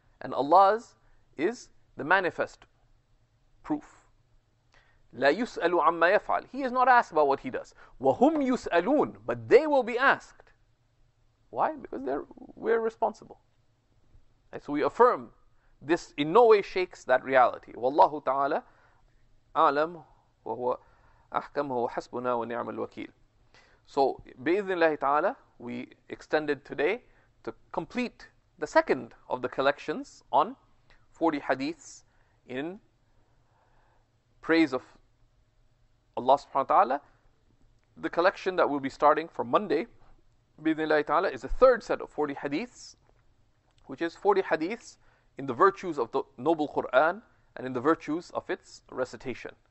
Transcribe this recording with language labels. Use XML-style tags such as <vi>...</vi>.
<en>And Allah's is the manifest proof.</en> <ar>لا يسأل عما يفعل.</ar> <en>He is not asked about what he does.</en> <ar>وهم يسألون.</ar> <en>But they will be asked. Why? Because we're responsible. And so we affirm this in no way shakes that reality.</en> <ar>والله تعالى أعلم وهو أحكم وهو حسبنا ونعم الوكيل.</ar> <en>So</en> <ar>بإذن الله تعالى</ar> <en>we extended today to complete the second of the collections on 40 hadiths in praise of Allah subhanahu wa ta'ala. The collection that we'll be starting for Monday, bi'idhnillahi ta'ala, is the third set of 40 hadiths, which is 40 hadiths in the virtues of the noble Qur'an and in the virtues of its recitation.</en>